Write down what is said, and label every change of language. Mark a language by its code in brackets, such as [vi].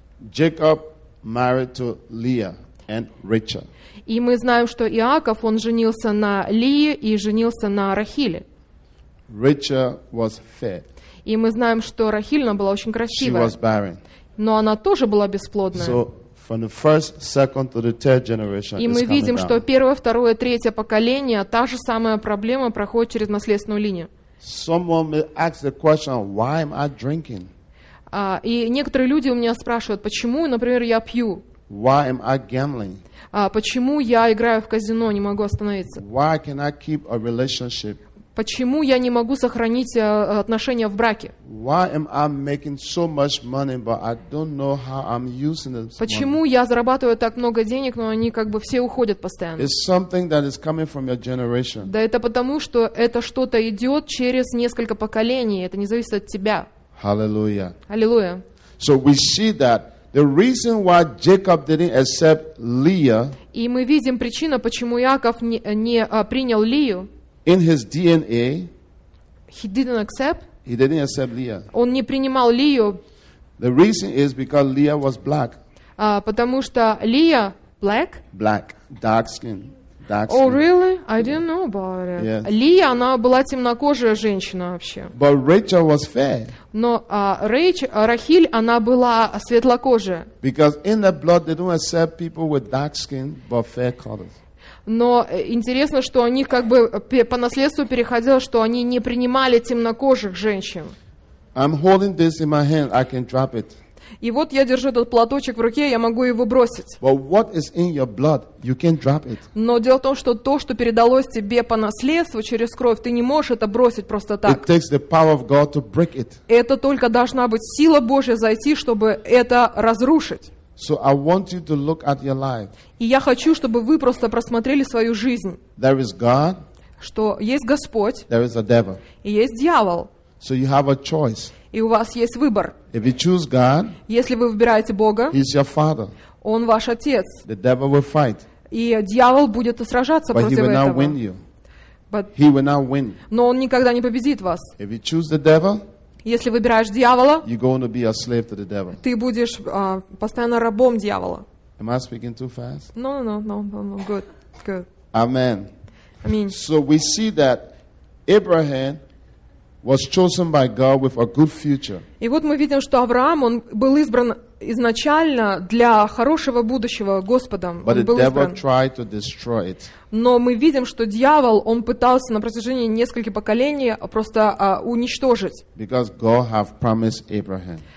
[en] Jacob married to Leah and Rachel. [ru] И мы знаем, что Иаков, он женился на Лии и женился на Рахиле. [en] Rachel was fair. [ru] И мы знаем, что Рахиль была очень красивая. [en] She was barren. [ru] Но она тоже была бесплодная. [en] So from the first, second to the third generation. [ru] И мы видим, что первое, второе, третье поколение та же самая проблема проходит через наследственную линию. [en] Someone may ask the question, why am I drinking? [ru] И некоторые люди у меня спрашивают, почему, например, я пью? [en] Why am I gambling? [ru] Почему я играю в казино, не могу остановиться? [en] Why can I keep a relationship? [ru] Почему я не могу сохранить отношения в браке? Почему я зарабатываю так много денег, но они как бы все уходят постоянно? [en] It's something that is coming from your generation. [ru] Да это потому, что это что-то идет через несколько поколений. Это не зависит от тебя. [en] Hallelujah. Hallelujah. So we see that the reason why Jacob didn't accept Leah. [ru] И мы видим причину, почему Яков не принял Лию. [en] In his DNA, he didn't accept Leah. [ru] Он не принимал Лию. [en] The reason is because Leah was black. [ru] Потому что Лия [en] black. Black, dark skin. Dark skin. Oh, really? I didn't know about it. Yes. [ru] Лия, она была темнокожая женщина вообще. [en] But Rachel was fair. [ru] Но Рахиль, она была светлокожая. [en] Because in the blood they don't accept people with dark skin but fair colors. [ru] Но интересно, что они как бы по наследству переходило, что они не принимали темнокожих женщин. [en] I'm holding this in my hand, I can drop it. [ru] И вот я держу этот платочек в руке, я могу его бросить. [en] But what is in your blood, you can drop it. [ru] Но дело в том, что то, что передалось тебе по наследству через кровь, ты не можешь это бросить просто так. [en] It takes the power of God to break it. [ru] Это только должна быть сила Божья зайти, чтобы это разрушить. [en] So I want you to look at your life. [ru] И я хочу, чтобы вы просто просмотрели свою жизнь. [en] There is God. [ru] Что есть Господь. [en] There is a devil. [ru] И есть дьявол. [en] So you have a choice. [ru] И у вас есть выбор. [en] If you choose God. [ru] Если вы выбираете Бога. [en] He's your father. [ru] Он ваш отец. [en] The devil will fight. [ru] И дьявол будет сражаться [en] But [ru] против этого. [en] But he will not win you. he will not win. [ru] Но он никогда не победит вас. [en] If you choose the devil. [ru] Если выбираешь дьявола, [en] you're going to be a slave to the devil. [ru] Ты будешь постоянно рабом дьявола. [en] Am I speaking too fast? No. Good. Amen. I mean. So we see that Abraham was chosen by God with a good future. [ru] И вот мы видим, что Авраам, он был избран изначально для хорошего будущего Господом. [en] But [ru] он был [en] the [ru] избран. [en] Devil tried to destroy it. [ru] Но мы видим, что дьявол, он пытался на протяжении нескольких поколений просто уничтожить. [en] Because God have promised Abraham.